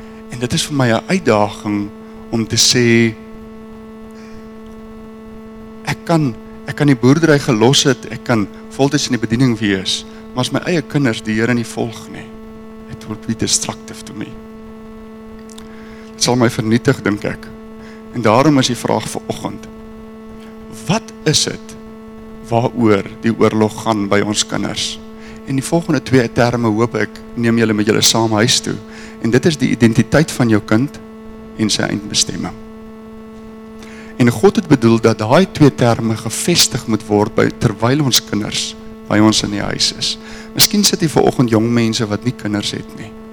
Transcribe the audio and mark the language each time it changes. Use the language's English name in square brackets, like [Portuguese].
[Afrikaans] En dit is vir my 'n uitdaging om te sê ek kan die boerdery gelos het, ek kan voltyds in die bediening wees, maar as my eie kinders die Here nie volg nie, [English] it would be destructive to me. [Afrikaans] Dit sal my vernietig, dink ek. En daarom is die vraag vir oggend: wat is dit waaroor die oorlog gaan by ons kinders? En die volgende twee terme hoop ek neem julle met julle saam huis toe. En dit is die identiteit van jou kind en sy eindbestemming. En God het bedoel dat daai twee terme gevestig moet word terwyl ons kinders by ons in die huis is. Miskien sit jy vanoggend jong mense wat nie kinders het nie.